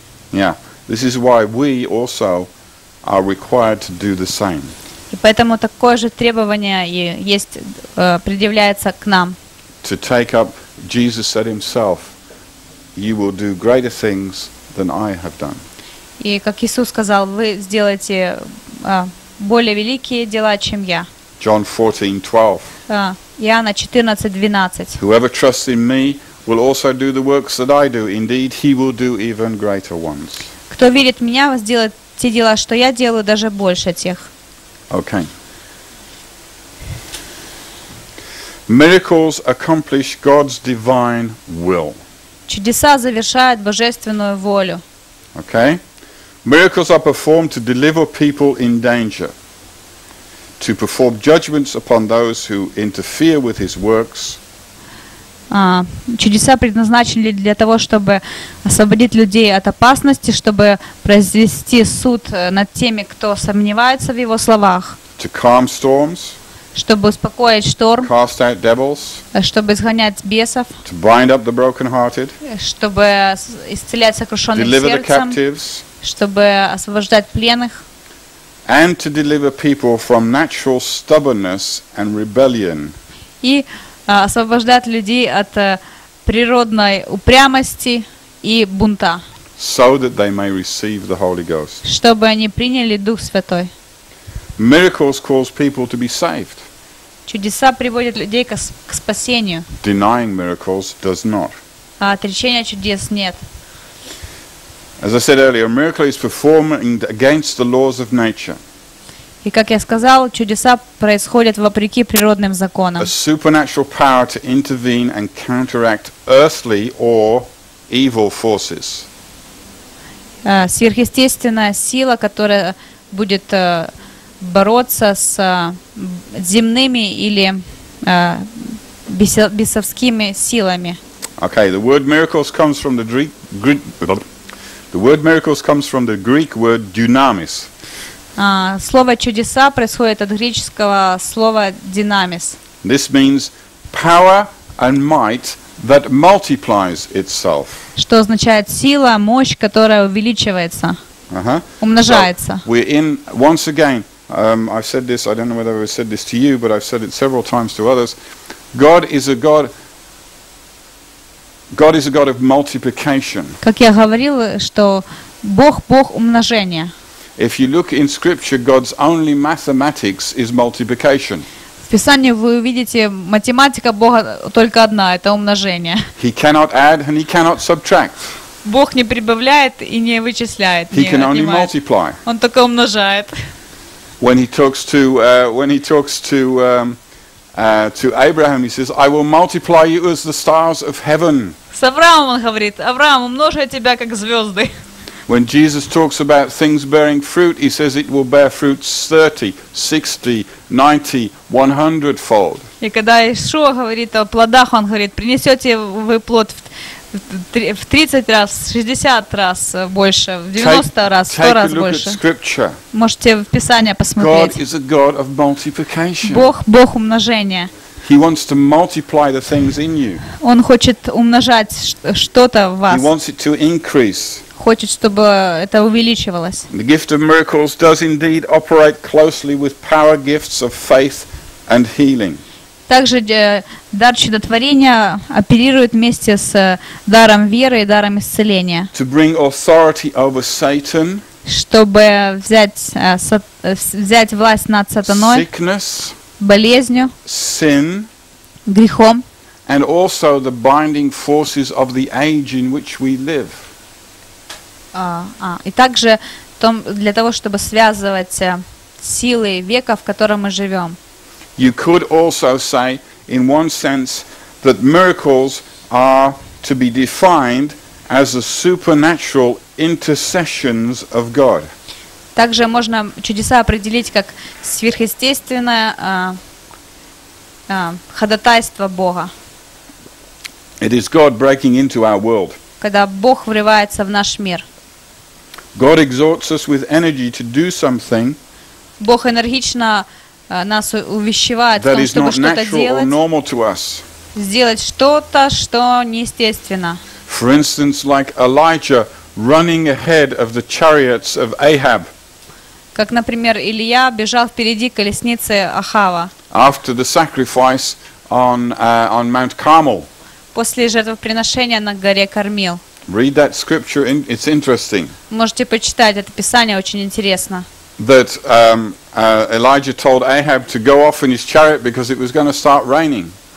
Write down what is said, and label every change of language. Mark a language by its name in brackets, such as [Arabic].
[English] Yeah, this is why we also are required to do the same. [Russian] И поэтому такое же требование и есть предъявляется к нам. [English] To take up, Jesus said himself, you will do greater things than I have done. [Russian] И как Иисус сказал, вы сделаете более великие дела, чем я. [English] John 14:12. [Russian] Иоанна 14:12. [English] Whoever trusts in me will also do the works that I do. Indeed, he will do even greater ones. [Russian] Кто верит в меня, сделает те дела, что я делаю, даже больше тех. [English] Okay. Miracles accomplish God's divine will. [Russian] Чудеса завершают божественную волю. [English] Okay. Miracles are performed to deliver people in danger, to perform judgments upon those who interfere with his works. [Russian] Чудеса предназначены для того, чтобы освободить людей от опасности, чтобы произвести суд над теми, кто сомневается в его словах. [English] to calm storms, [Russian] чтобы успокоить шторм, [English] cast out devils, [Russian] чтобы изгонять бесов, [English] to bind up the brokenhearted, [Russian] чтобы исцелять сокрушенных [English] deliver [Russian] сердцем, [English] the captives, [Russian] чтобы освобождать пленных, [English] and to deliver people from natural stubbornness and rebellion. [Russian] И освобождать людей от природной упрямости и бунта. [English] So that they may receive the Holy Ghost. [Russian] Чтобы они приняли Дух Святой. [English] Miracles cause people to be saved. [Russian] Чудеса приводят людей к спасению. [English] Denying miracles does not. [Russian] А отречение чудес нет. [English] As I said earlier, a miracle is performed against the laws of nature. [Russian] И как я сказал, чудеса происходят вопреки природным законам. [English] A supernatural power to intervene and counteract earthly or evil forces. [Russian] Сверхъестественная сила, которая будет бороться с земными или бесовскими силами. [English] Okay, the word miracles comes from the Greek. The word miracles comes from the Greek word dynamis. [Russian] Слово чудеса происходит от греческого слова динамис. [English] This means power and might that multiplies itself. [Russian] Что означает сила, мощь, которая увеличивается, умножается. [English] So we're in once again. I've said this. I don't know whether I've said this to you, but I've said it several times to others. God is a God of multiplication. [Russian] Как я говорил, что Бог умножения. [English] If you look in Scripture, God's only mathematics is multiplication. [Russian] В Писании вы увидите, математика Бога только одна, это умножение. [English] He cannot add and he cannot subtract. [Russian] Бог не прибавляет и не вычисляет. [English] He can only multiply. [Russian] Он только умножает. [English] When he talks to to Abraham, he says, "I will multiply you as the stars of heaven." [Russian] С Авраамом он говорит: "Авраам, умножу я тебя как звезды." [English] When Jesus talks about things bearing fruit, he says it will bear fruit 30, 60, 90, 100 fold. [Russian] И когда Иисус говорит о плодах, он говорит: "Принесете вы плод в 30 раз, 60 раз больше, в 90 раз, 100 раз больше". Можете в Писание посмотреть. [English] God is a God of multiplication. [Russian] Бог умножения. [English] He wants to multiply the things in you. [Russian] Он хочет умножать что-то в вас. [English] He wants it to increase. [Russian] Хочет, чтобы это увеличивалось. [English] The gift of miracles does indeed operate closely with power gifts of faith and healing. [Russian] Также дар чудотворения оперирует вместе с даром веры и даром исцеления. [English] To bring authority over Satan. [Russian] Чтобы взять власть над сатаной. [English] Sickness. [Russian] Болезнью. [English] Sin. [Russian] Грехом. [English] And also the binding forces of the age in which we live. [Russian] И также для того, чтобы связывать силы века, в котором мы живем. [English] You could also say, in one sense, that miracles are to be defined as the supernatural intercessions of God. [Russian] Также можно чудеса определить как сверхъестественное ходатайство Бога. [English] It is God breaking into our world. [Russian] Когда Бог врывается в наш мир. [English] God exhorts us with energy to do something. [Russian] Бог энергично нас увещевает, [English] that is not natural or normal to us. [Russian] Сделать что-то, что неестественно. [English] For instance, like Elijah running ahead of the chariots of Ahab. [Russian] Как, например, Илия бежал впереди колесницы Ахава. [English] After the sacrifice on Mount Carmel. [Russian] После жертвоприношения на горе Кармел. [English] Read that scripture. It's interesting. [Russian] Можете почитать это писание, очень интересно. [English] That Elijah told Ahab to go off in his chariot because it was going to start raining.